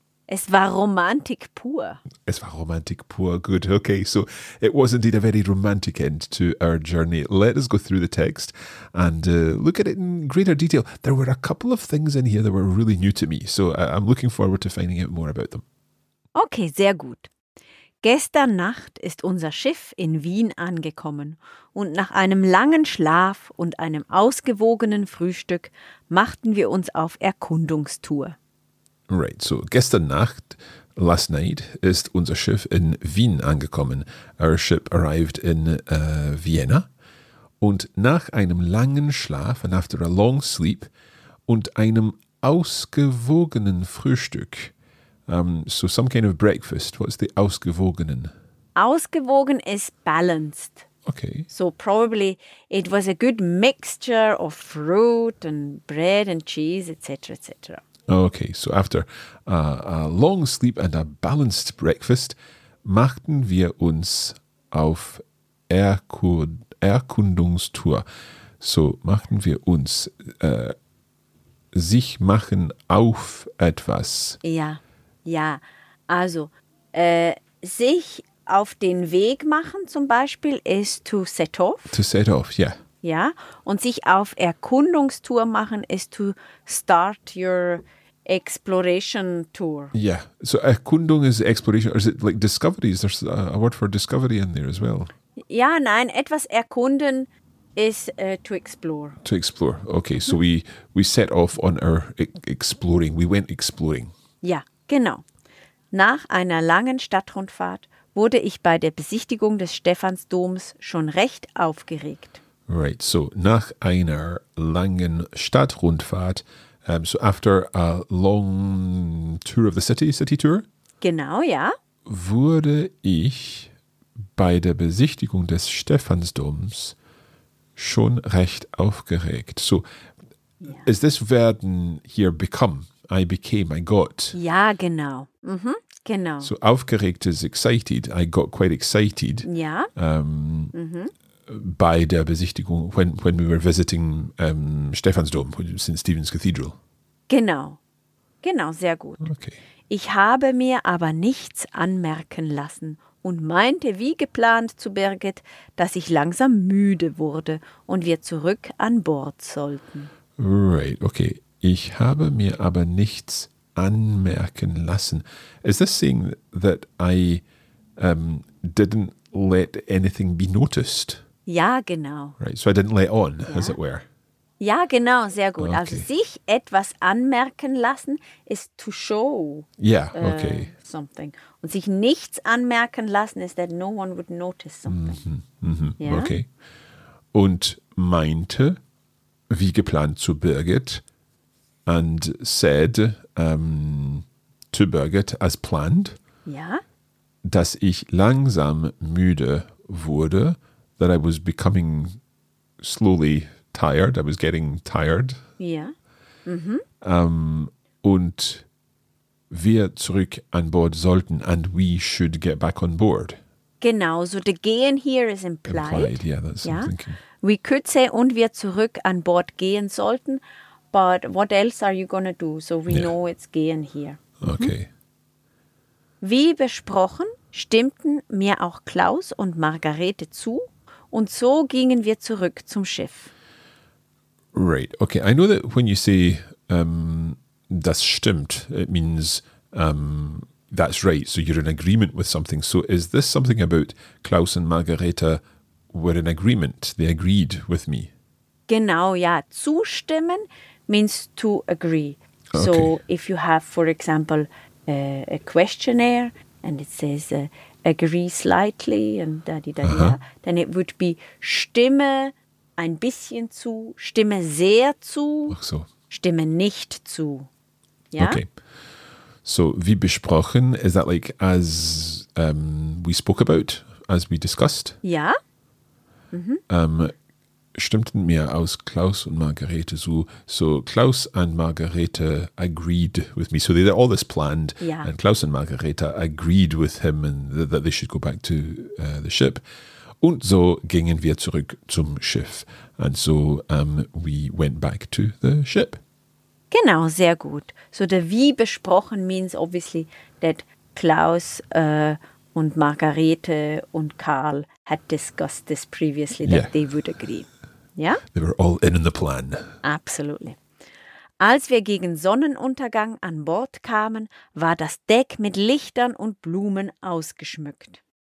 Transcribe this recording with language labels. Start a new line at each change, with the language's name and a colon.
German: Es war Romantik pur. Es war Romantik pur. Good.
English: Okay, so it was indeed a very romantic end to our journey. Let us go through the text and look at it in greater detail. There were a couple of things in here that were really new to me. So I'm looking forward to finding out more about them.
German: Okay, sehr gut. Gestern Nacht ist unser Schiff in Wien angekommen und nach einem langen Schlaf und einem ausgewogenen Frühstück machten wir uns auf Erkundungstour. Right, so gestern Nacht,
English: last night,
German: ist unser Schiff in Wien angekommen.
English: Our ship arrived in Vienna.
German: Und nach einem langen Schlaf,
English: and after a long sleep,
German: und einem ausgewogenen Frühstück.
English: So some kind of breakfast. What's the ausgewogenen? Ausgewogen is balanced. Okay. So probably it was a good mixture of fruit and bread and cheese, etc., etc. Okay, so after a long sleep and a balanced breakfast,
German: machten wir uns auf Erkundungstour. So machten wir uns, sich machen auf etwas. Ja, ja. Also, sich auf den Weg machen zum Beispiel ist
English: to set off. To set off, yeah.
German: Ja, und sich auf Erkundungstour machen ist
English: to start your exploration tour. Yeah, so Erkundung is exploration, or is it like discovery? Is there a word for discovery in there as well?
German: Ja, nein, etwas erkunden
English: is to explore. To explore, okay. So we set off on our exploring, we went exploring.
German: Ja, genau. Nach einer langen Stadtrundfahrt wurde ich bei der Besichtigung des Stephansdoms schon recht aufgeregt.
English: Right, so
German: nach einer langen Stadtrundfahrt,
English: so after a long tour of the city tour?
German: Genau, ja. Wurde ich bei der Besichtigung des Stephansdoms schon recht aufgeregt.
English: So, yeah. Is this werden here become? I became, I got.
German: Ja, genau. Mhm, genau.
English: So, aufgeregt is excited. I got quite excited.
German: Ja.
English: By
German: der Besichtigung,
English: when we were visiting Stephansdom, St. Stephen's Cathedral.
German: Genau. Genau, sehr gut.
English: Okay.
German: Ich habe mir aber nichts anmerken lassen und meinte wie geplant zu Birgit, dass ich langsam müde wurde und wir zurück an Bord sollten.
English: Right, okay.
German: Ich habe mir aber nichts anmerken lassen.
English: Is this saying that I didn't let anything be noticed?
German: Ja, genau.
English: Right, so I didn't let on, ja. As it were.
German: Ja, genau, sehr gut. Okay. Also sich etwas anmerken lassen ist
English: to show. Yeah, okay. Something.
German: Und sich nichts anmerken lassen ist
English: that no one would notice something. Mm-hmm,
German: mm-hmm, ja? Okay. Und meinte, wie geplant zu Birgit,
English: and said to Birgit as planned,
German: ja? Dass ich langsam müde wurde,
English: that I was becoming slowly tired, I was getting tired.
German: Ja.
English: Mhm.
German: Und wir zurück an Bord sollten,
English: and we should get back on board. Genau, so the gehen here is implied. Implied, yeah, that's what I'm thinking. We could say,
German: und wir zurück an Bord gehen sollten,
English: but what else are you gonna do? So we know it's gehen here. Okay.
German: Wie besprochen, stimmten mir auch Klaus und Margarete zu, und so gingen wir zurück zum Schiff.
English: Right, okay. I know that when you say
German: das stimmt,
English: it means that's right, so you're in agreement with something. So is this something about Klaus and Margarete were in agreement, they agreed with me?
German: Genau, ja.
English: Zustimmen means to agree. Okay. So if you have, for example, a questionnaire and it says agree slightly and da-di-da-di-da, uh-huh.
German: Then it would be stimme ein bisschen zu, stimme sehr zu, ach so. Stimme nicht zu. Ja?
English: Okay. So, wie besprochen, is that like as we spoke about, as we discussed?
German: Ja. Mhm. Stimmten mir aus Klaus und Margarete zu.
English: So, Klaus and Margarete agreed with me. So, they all this planned.
German: Ja.
English: And Klaus and Margarete agreed with him and that they should go back to the ship.
German: Und so gingen wir zurück zum Schiff.
English: And so we went back to the ship.
German: Genau, sehr gut.
English: So the wie besprochen means obviously that Klaus und Margarete und Karl had discussed this previously, that they would agree. Yeah? They were all in the plan. Absolutely.
German: Als wir gegen Sonnenuntergang an Bord kamen, war das Deck mit Lichtern und Blumen ausgeschmückt.